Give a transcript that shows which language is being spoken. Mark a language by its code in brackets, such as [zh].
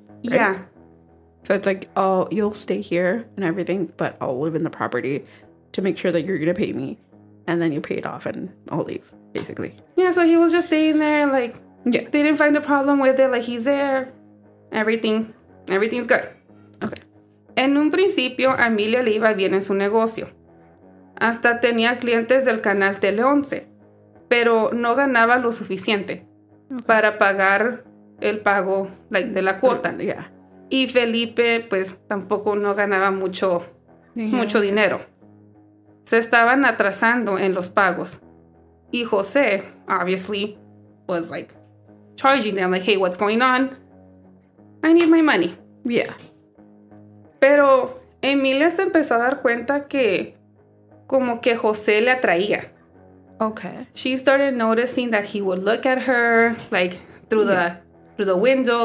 [en] Right? Yeah. So it's like, oh, you'll stay here and everything, but I'll live in the property to make sure that you're going to pay me. And then you pay it off and I'll leave, basically. Yeah, so he was just staying there. Like, they didn't find a problem with it. Like, he's there. Everything's good. Okay. [es] En un principio, Emilia le iba bien en su negocio. Hasta tenía clientes del canal Tele 11. Pero no ganaba lo suficiente para pagar el pago, like, de la cuota. [en] Yeah. [es] Y Felipe, pues, tampoco no ganaba mucho dinero. Se estaban atrasando en los pagos. Y José, obviously, was, like, charging them. [en] Like, hey, what's going on? I need my money. Yeah. [es] Pero Emilia se empezó a dar cuenta que como que José le atraía. [en] Okay. She started noticing that he would look at her, like, through the window.